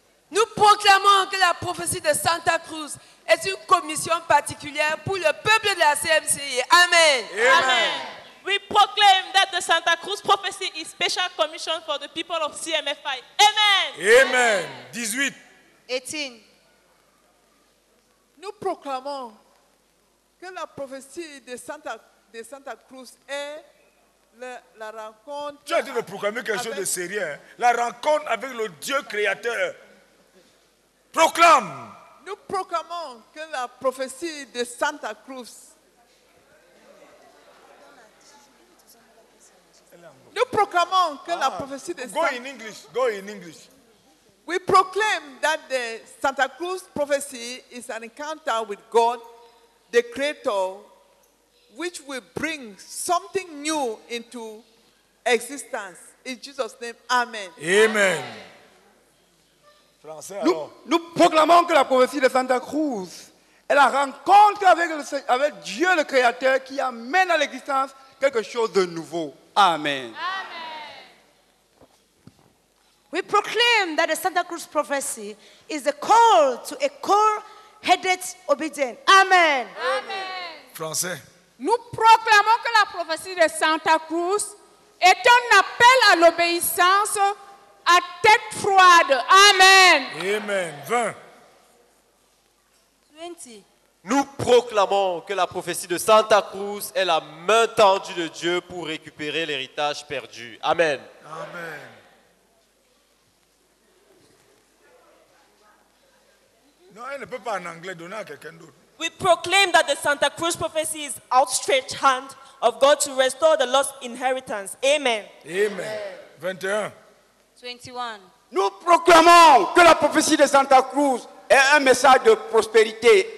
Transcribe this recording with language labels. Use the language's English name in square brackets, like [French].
[French] Nous proclamons que la prophétie de Santa Cruz est une commission particulière pour le peuple de la CMCI. Amen. Amen. Amen. [English] We proclaim that the Santa Cruz prophecy is special commission for the people of CMFI. Amen. Amen. 18. 18. [French] Nous proclamons que la prophétie de Santa Cruz est la rencontre. Tu as dit de proclamer quelque chose de sérieux. La rencontre avec le Dieu créateur. Proclame. Nous proclamons que la prophétie de Santa Cruz. Nous proclamons que la prophétie de [English] Go in English. Go in English. We proclaim that the Santa Cruz prophecy is an encounter with God, the Creator, which will bring something new into existence. In Jesus' name, Amen. Amen. [French] Nous proclamons que la prophétie de Santa Cruz est la rencontre avec Dieu le Créateur qui amène à l'existence quelque chose de nouveau. Amen. Amen. [English] We proclaim that the Santa Cruz prophecy is the call to a cold-headed obedience. Amen. Amen. [French] Français. Nous proclamons que la prophétie de Santa Cruz est un appel à l'obéissance à tête froide. Amen. Amen. 20. 20. Nous proclamons que la prophétie de Santa Cruz est la main tendue de Dieu pour récupérer l'héritage perdu. Amen. Amen. Non, elle ne peut pas en anglais donner à quelqu'un d'autre. [English] We proclaim that the Santa Cruz prophecy is outstretched hand of God to restore the lost inheritance. Amen. Amen. 21. 21. [French] Nous proclamons que la prophétie de Santa Cruz est un message de prospérité.